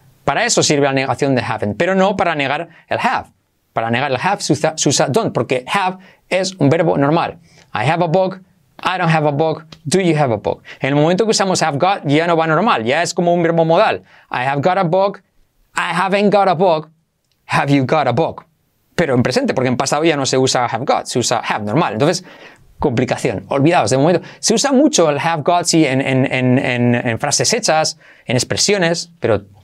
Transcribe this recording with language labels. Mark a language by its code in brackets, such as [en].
[es] Para eso sirve la negación de haven't, pero no para negar el have. Para negar el have se usa don't, porque have es un verbo normal. [en] I have a book, I don't have a book, do you have a book? [es] En el momento que usamos have got, ya no va normal, ya es como un verbo modal. [en] I have got a book, I haven't got a book, have you got a book? [es] Pero en presente, porque en pasado ya no se usa have got, se usa have, normal. Entonces, complicación, olvidaos de momento. Se usa mucho el have got, sí, en frases hechas, en expresiones, pero